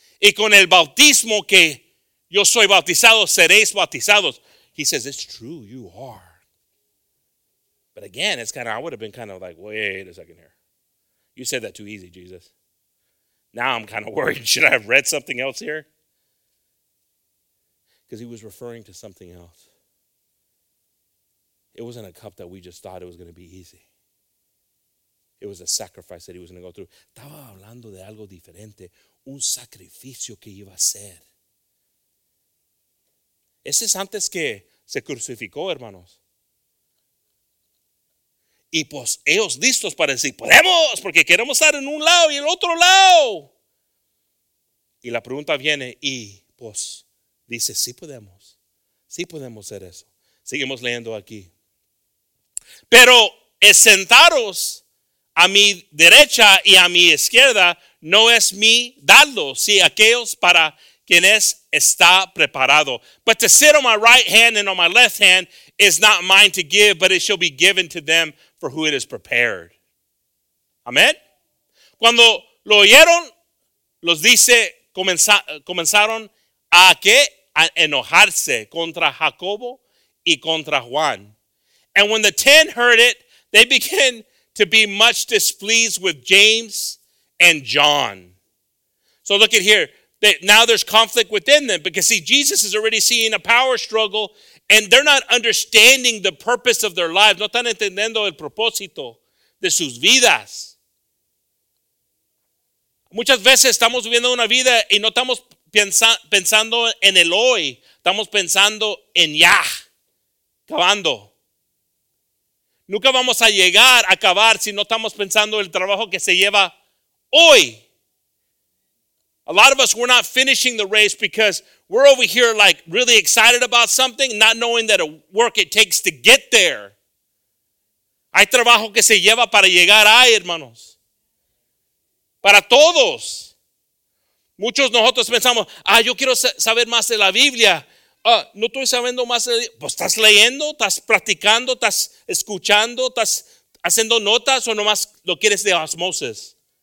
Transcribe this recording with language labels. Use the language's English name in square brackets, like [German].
[Spanish] Y con el bautismo que yo soy bautizado, seréis bautizados. [English] He says, it's true, you are. But again, it's kind of, I would have been kind of like, wait a second here. You said that too easy, Jesus. Now I'm kind of worried. Should I have read something else here? Because he was referring to something else. It wasn't a cup that we just thought it was going to be easy. It was a sacrifice that he was going to go through. [Spanish] Estaba hablando de algo diferente. Un sacrificio que iba a hacer. Ese es antes que se crucificó, hermanos. Y pues ellos listos para decir, podemos, porque queremos estar en un lado y el otro lado. Y la pregunta viene, y pues dice, sí podemos hacer eso. Seguimos leyendo aquí. Pero sentaros a mi derecha y a mi izquierda no es mi darlo, sí, aquellos para quien es está preparado. [English] But to sit on my right hand and on my left hand is not mine to give, but it shall be given to them for who it is prepared. [Spanish] Amén. Cuando lo oyeron, los dice, comenzaron a qué? A enojarse contra Jacobo y contra Juan. [English] And when the ten heard it, they began to be much displeased with James and John. So look at here. Now there's conflict within them because, see, Jesus is already seeing a power struggle and they're not understanding the purpose of their lives. [Spanish] No están entendiendo el propósito de sus vidas. Muchas veces estamos viviendo una vida y no estamos pensando en el hoy. Estamos pensando en ya, acabando. Nunca vamos a llegar a acabar si no estamos pensando el trabajo que se lleva hoy. [English] A lot of us, we're not finishing the race because we're over here like really excited about something, not knowing that a work it takes to get there. [Spanish] Hay trabajo que se lleva para llegar ahí, hermanos. Para todos. Muchos de nosotros pensamos, ah, yo quiero saber más de la Biblia. No estoy sabiendo más de la Biblia. Pues estás leyendo, estás practicando, estás escuchando, estás haciendo notas o nomás lo quieres de osmosis.